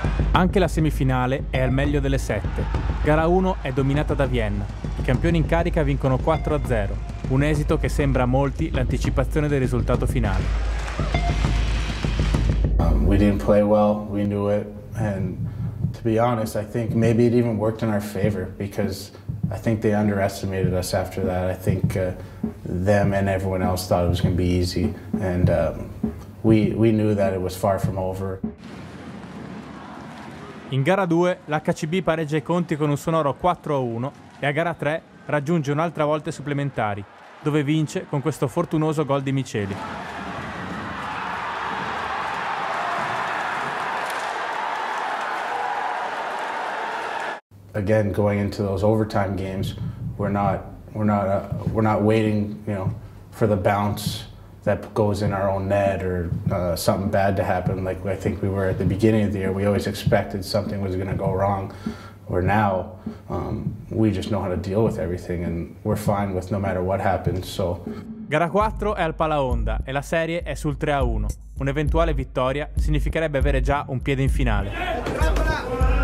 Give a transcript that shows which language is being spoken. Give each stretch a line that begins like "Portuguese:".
Italian: Anche la semifinale è al meglio delle sette. Gara 1 è dominata da Vienna. I campioni in carica vincono 4-0, un esito che sembra a molti l'anticipazione del risultato finale.
English: We didn't play well, we knew it, and to be honest, I think maybe it even worked in our favor because I think they underestimated us after that. I think them and everyone else thought it was going to be easy, and we knew that it was far from over.
Italian: In gara 2 l'HCB pareggia i conti con un sonoro 4-1 e a gara 3 raggiunge un'altra volta i supplementari, dove vince con questo fortunoso gol di Miceli.
English: Again, going into those overtime games, we're not waiting, you know, for the bounce that goes in our own net or something bad to happen. Like I think we were at the beginning of the year, we always expected something was going to go wrong. Where now, we just know how to deal with everything and we're fine with no matter what happens. So.
Italian: Gara 4 è al Palaonda e la serie è sul 3-1. Un'eventuale vittoria significherebbe avere già un piede in finale.